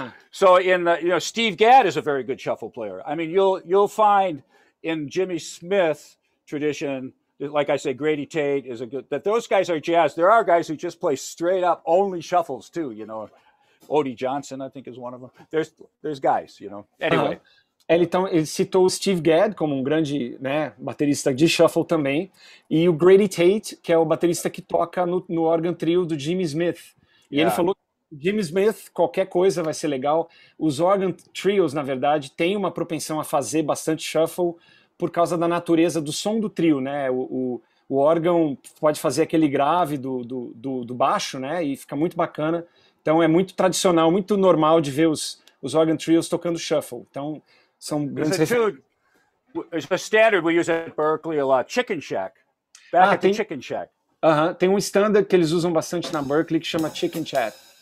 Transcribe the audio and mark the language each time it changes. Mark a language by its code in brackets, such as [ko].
[en] So in the, you know, Steve Gadd is a very good shuffle player. I mean, you'll find in Jimmy Smith tradition, like I say, Grady Tate is a good, that those guys are jazz. There are guys who just play straight up only shuffles too, you know. Odie Johnson, I think, is one of them. There's guys, you know. Anyway. [pt] Ele citou o Steve Gadd como um grande, né, baterista de shuffle também, e o Grady Tate, que é o baterista que toca no órgão trio do Jimmy Smith. E ele falou, Jimmy Smith, qualquer coisa vai ser legal. Os organ trios, na verdade, têm uma propensão a fazer bastante shuffle por causa da natureza do som do trio, né? O órgão pode fazer aquele grave do baixo, né? E fica muito bacana. Então é muito tradicional, muito normal de ver os organ trios tocando shuffle. Então são grandes. [en] It's a standard we use at Berkeley a lot. Chicken Shack. Back at the Chicken Shack. Uh-huh. [pt] Tem um standard que eles usam bastante na Berkeley que chama Chicken Shack.